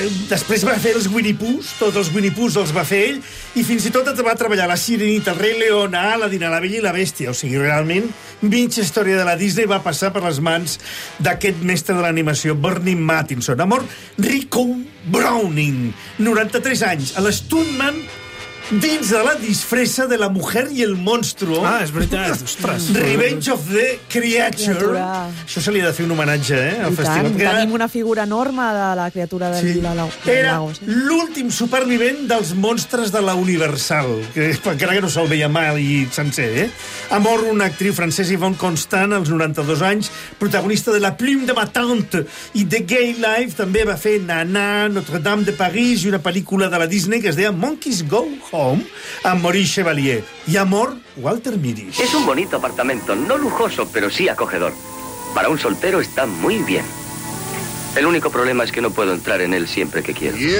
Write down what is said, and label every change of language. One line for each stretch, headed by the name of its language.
Catalan: Després va fer els Winnie Poohs, tots els Winnie Poohs els va fer ell, i fins i tot va treballar La Sirenita, El Rei León, Aladdin, La Bella i la Bèstia. O sigui, realment, mitja història de la Disney va passar per les mans d'aquest mestre de l'animació, Bernie Mattinson. Amor, Rico Browning, 93 anys, a l'Stuntman... Dins de la disfressa de La Mujer i el Monstruo. Ah, és veritat, ostres.
English: Revenge of the Creature.
Catalan: Això se li ha de fer un homenatge, al festival. Tant, que... Tenim una figura enorme de la criatura del sí. Lago. Era l'últim supervivent dels monstres de la Universal. Encara que no se'l veia mai sencer, eh? Amor, una actriu francesa, Yvonne Constant, als 92 anys, protagonista de La Plume de ma Tante i The Gay Life, també va fer Nana, Notre Dame de Paris i una pel·lícula de la Disney que es deia Monkeys Go Home, amb Maurice Chevalier. I amor, Walter Mitty.
Spanish: Es un bonito apartamento, no lujoso, pero sí acogedor. Para un soltero está muy bien. El único problema es que no puedo entrar en él siempre que quiero.